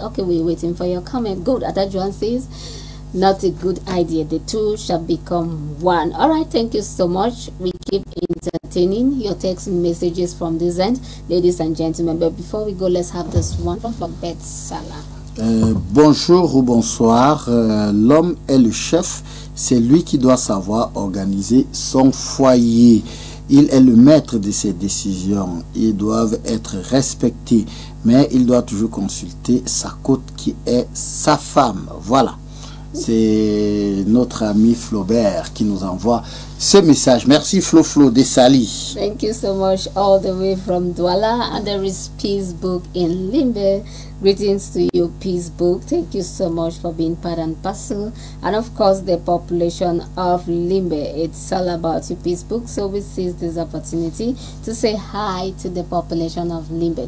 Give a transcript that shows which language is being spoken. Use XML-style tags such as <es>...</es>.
<en>Okay, we're waiting for your comment. Good. Adajuan says, not a good idea. The two shall become one. All right, thank you so much. We keep entertaining your text messages from this end, ladies and gentlemen. But before we go, let's have this one from Beth Salah.</en> <fr>Bonjour ou bonsoir. L'homme est le chef. C'est lui qui doit savoir organiser son foyer. Il est le maître de ses décisions. Ils doivent être respectés. Mais il doit toujours consulter sa côte qui est sa femme. Voilà. C'est notre ami Flaubert qui nous envoie ce message. Merci Flo Flo de Sali.</fr> <en>Thank you so much all the way from Douala. And there is Peacebook in Limbe. Greetings to you, Peacebook. Thank you so much for being part and parcel. And of course, the population of Limbe. It's all about you, Peacebook. So we seize this opportunity to say hi to the population of Limbe.</en>